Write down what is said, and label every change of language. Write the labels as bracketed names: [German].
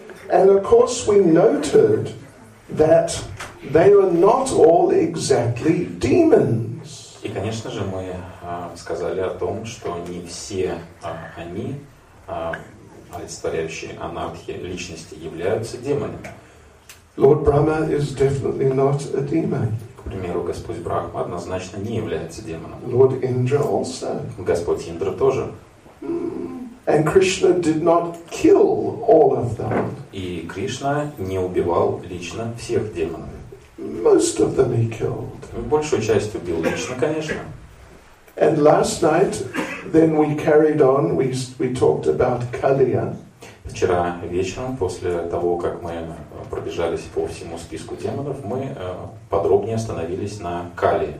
[English] And of course we noted that they were not all exactly demons. [Russian] И, конечно же, мы сказали о том, что не все они, олицетворяющие анархи личности, являются демонами. [English] Lord Brahma is definitely not a demon. [Russian] К примеру, Господь Брахма однозначно не является демоном. [English] Lord Indra also. [Russian] Господь Индра тоже. [English] And Krishna did not kill all of them. [Russian] И Кришна не убивал лично всех демонов. [English] Most of them he killed. [Russian] Большую часть убил лично, конечно. [English] And last night, then we carried on. We talked about Kaliya. [Russian] Вчера вечером, после того, как мы пробежались по всему списку демонов, мы подробнее остановились на Калии.